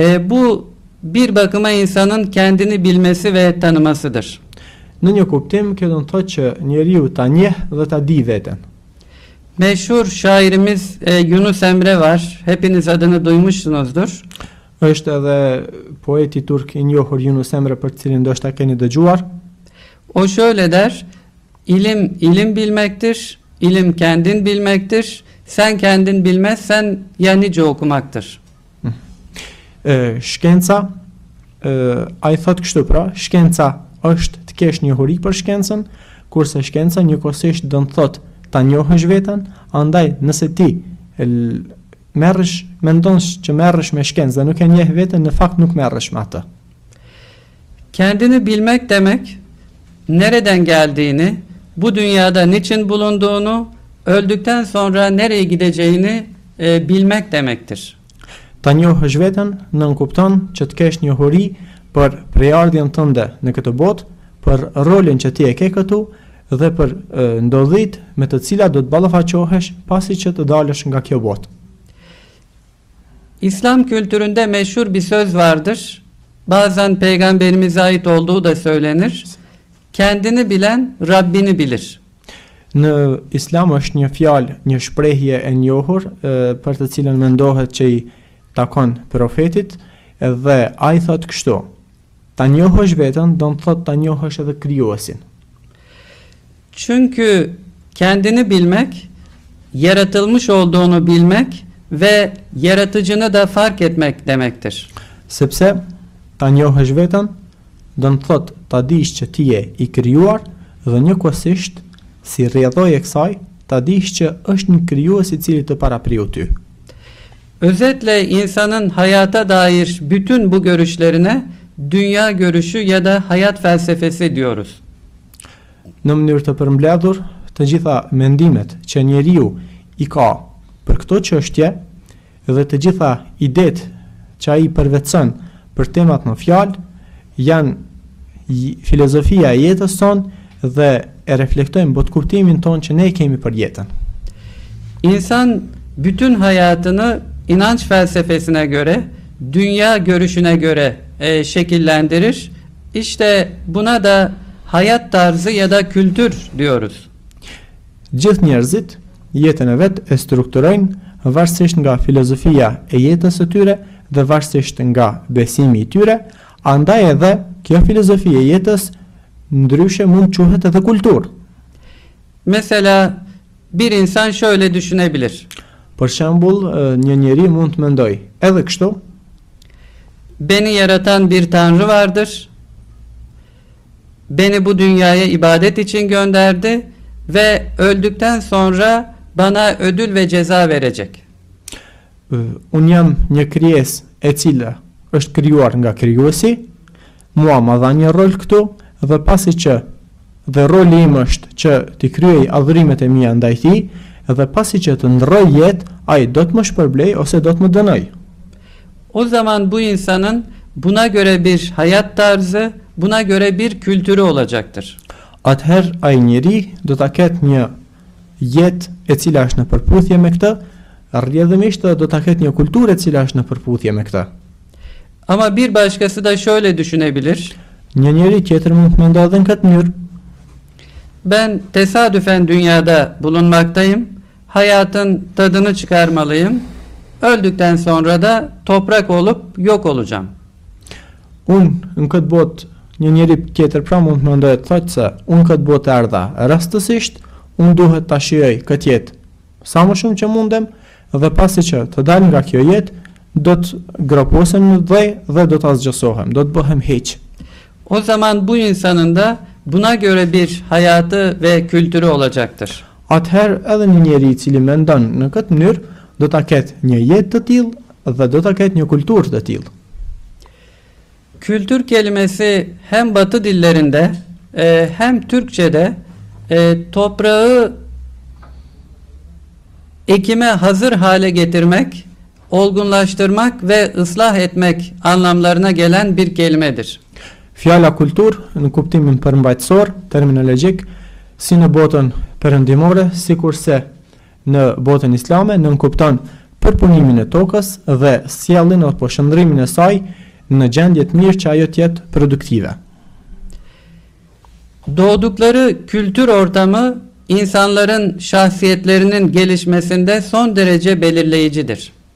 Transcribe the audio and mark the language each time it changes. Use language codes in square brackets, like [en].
[tr] Bu bir bakıma insanın kendini bilmesi ve tanımasıdır. [sq] Në një kuptim, kjo do të thotë që njeriu ta njeh dhe ta di veten. [tr] Meşhur şairimiz Yunus Emre var. Hepiniz adını duymuşsunuzdur. [sq] Është edhe poeti turk i njohur Yunus Emre për cilin ndoshta keni dëgjuar. [tr] O şöyle der: İlim ilim bilmektir. İlim kendin bilmektir. Sen kendin bilmezsen ya nice okumaktır. [sq] Shkenca, ai thot kështu pra, shkenca është të kesh njohuri për shkencën, kurse shkenca njëkohësisht do të thotë ta njohësh veten, andaj nëse ti merresh, mendonsh që merresh me shkencë dhe nuk e njeh veten, në fakt nuk merresh me atë. [tr] Kendini bilmek demek nereden geldiğini, bu dünyada niçin bulunduğunu, öldükten sonra nereye gideceğini bilmek demektir. [sq] Ta njohësh veten nënkupton që të kesh njohuri për prejardhjen tënde në këtë botë, për rolin që ti e ke këtu dhe për ndodhit me të cilat do të ballafaqohesh pasi që të dalësh nga kjo botë. [tr] İslam kültüründe meşhur bir söz vardır. Bazen peygamberimize ait olduğu da söylenir. Kendini bilen Rabbini bilir. [sq] Në Islam është një fjalë, një shprehje e njohur për të cilën mendohet që i takon profetit dhe ai thot kështu: ta njohësh veten do të thot ta njohësh edhe krijuesin. [tr] Çünkü kendini bilmek, yaratılmış olduğunu bilmek ve yaratıcını da fark etmek demektir. [sq] Sepse ta njohësh veten do të thot ta dish që ti je i krijuar dhe njëkohësisht si rrjedhoje kësaj ta dish që është një krijues i cili të parapriu ty. [tr] Özetle insanın hayata dair bütün bu görüşlerine dünya görüşü ya da hayat felsefesi diyoruz. [sq] Në mënyrë të përmbledhur, të gjitha mendimet që njeriu i ka për këto çështje dhe të gjitha idet që ai përvetëson për temat në fjalë janë filozofia e jetës sonë dhe e reflektojnë botëkuptimin tonë që ne kemi për jetën. [tr] İnsan bütün hayatını İnanç felsefesine göre, dünya görüşüne göre şekillendirir. İşte buna da hayat tarzı ya da kültür diyoruz. [sq] Gjithë njerëzit jetën e vet e strukturojnë varësisht nga filozofia e jetës së tyre dhe varësisht nga besimi i tyre, andaj edhe kjo filozofi e jetës ndryshe mund quhet edhe kultur. [tr] Mesela bir insan şöyle düşünebilir. [sq] Për shembull, një njeri mund të mendoj, edhe kështu. [tr] Beni yaratan bir tanrı vardır. Beni bu dünyaya ibadet için gönderdi ve öldükten sonra bana ödül ve ceza verecek. [sq] Un jam një krijes e cila është krijuar nga krijuesi, mua ma dha një rol këtu, dhe pasi që dhe roli im është që t'i kryej adhurimet e mija ndaj ti, dhe pasi që të ndroj jetë, ai do të më shpërblej ose do të më dënoj. [tr] O zaman bu insanın buna göre bir hayat tarzı, buna göre bir kültürü olacaktır. [sq] Atëher ai njeri do ta ketë një jetë e cila është në përputhje me këtë, rrjedhimisht do ta ketë një kulturë e cila është në përputhje me këtë. [tr] Ama bir başkası da şöyle düşünebilir. [sq] Një njeri tjetër mund të mendojë edhe në këtë mënyrë. [tr] Ben tesadüfen dünyada bulunmaktayım. Hayatın tadını çıkarmalıyım. Öldükten sonra da toprak olup yok olacağım. [sq] Un në këtë botë një njeri tjetër pra mund të mendojë thotë se un këtë botë erdha rastësisht, un duhet ta shijoj këtë jetë sa më shumë që mundem dhe pasi që të dal nga kjo jetë do të groposem në dhej dhe do të asgjësohem, do të bëhem hiq. [tr] O zaman bu insanın da buna göre bir hayatı ve kültürü olacaktır. [sq] Atëherë edhe një njeri i cili mendon në këtë mënyrë do ta ketë një jetë të tillë dhe do ta ketë një kulturë të tillë. [tr] Kültür kelimesi hem Batı dillerinde hem Türkçede toprağı ekime hazır hale getirmek, olgunlaştırmak ve ıslah etmek anlamlarına gelen bir kelimedir. [sq] Fjala kultur në kuptimin përmbajtësor, terminologjik, si në botën perëndimore, sikurse në botën islame, nënkupton përpunimin e tokës dhe sjellin ose shndrimin e saj në gjendje të mirë që ajo të jetë produktive. [tr] Doğdukları kültür ortamı insanların şahsiyetlerinin gelişmesinde son derece belirleyicidir.